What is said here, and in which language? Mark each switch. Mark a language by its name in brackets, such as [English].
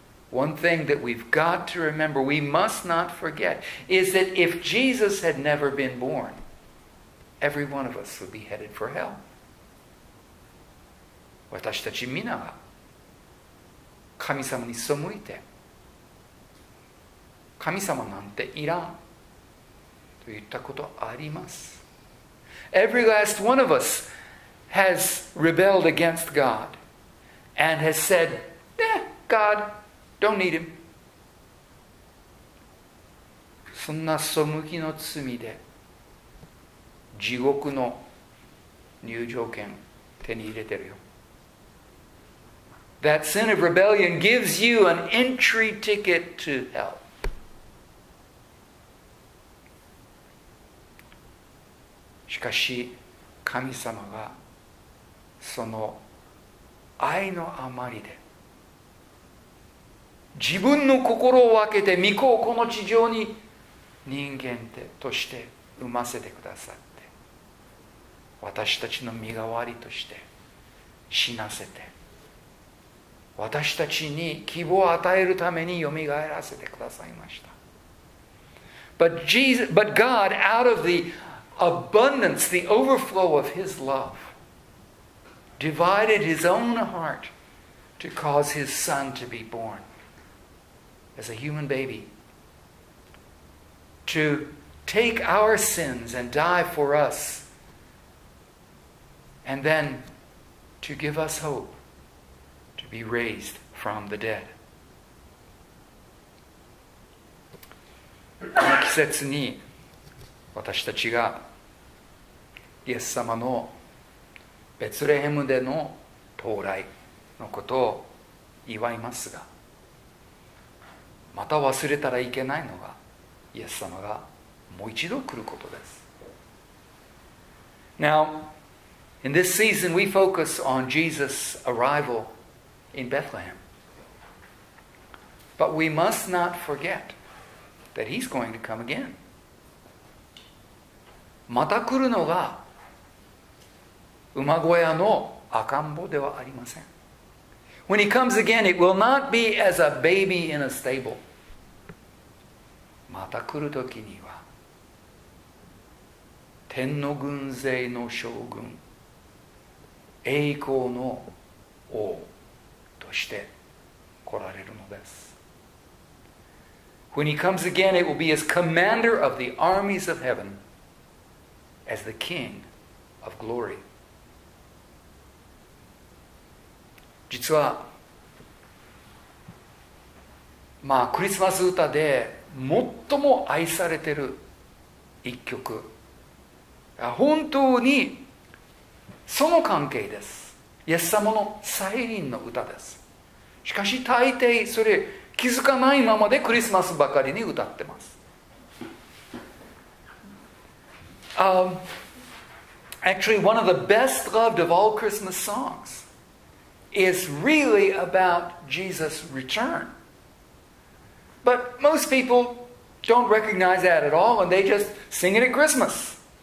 [English] One thing that we've got to remember, we must not forget, is that if Jesus had never been born, every one of us would be headed for hell. [Japanese] 私たちみんなが神様に背いて、神様なんていらんと言ったことあります。 [English] Every last one of us has rebelled against God and has said, eh, God, don't need him. [Japanese] そんな背きの罪で地獄の入場券手に入れてるよ。 [English] That sin of rebellion gives you an entry ticket to hell. [Japanese] しかし、神様がその愛のあまりで自分の心を分けて御子をこの地上に人間として生ませてくださって、私たちの身代わりとして死なせて、私たちに希望を与えるためによみがえらせてくださいました。 [English] But God, out of the abundance, the overflow of His love, divided His own heart to cause His Son to be born as a human baby, to take our sins and die for us, and then to give us hope. Be raised from the dead. [Japanese] この季節に私たちがイエス様のベツレヘムでの到来のことを祝いますが、また忘れたらいけないのがイエス様がもう一度来ることです。 [English] Now, in this season, we focus on Jesus' arrival. In Bethlehem. But we must not forget that he's going to come again. [Japanese] また来るのが馬小屋の赤ん坊ではありません。 [English] When he comes again, it will not be as a baby in a stable. [Japanese] また来るときには天の軍勢の将軍、栄光の王して来られるのです。 [English] When he comes again, it will be as commander of the armies of heaven, as the king of glory. [Japanese] 実は、まあクリスマス歌で最も愛されてる一曲、本当にその関係です。イエス様の再臨の歌です。しかし大抵それ気づかないままでクリスマスばかりに歌ってます。 [English] Actually, one of the best loved of all Christmas songs is really about Jesus' return. But most people don't recognize that at all and they just sing it at Christmas.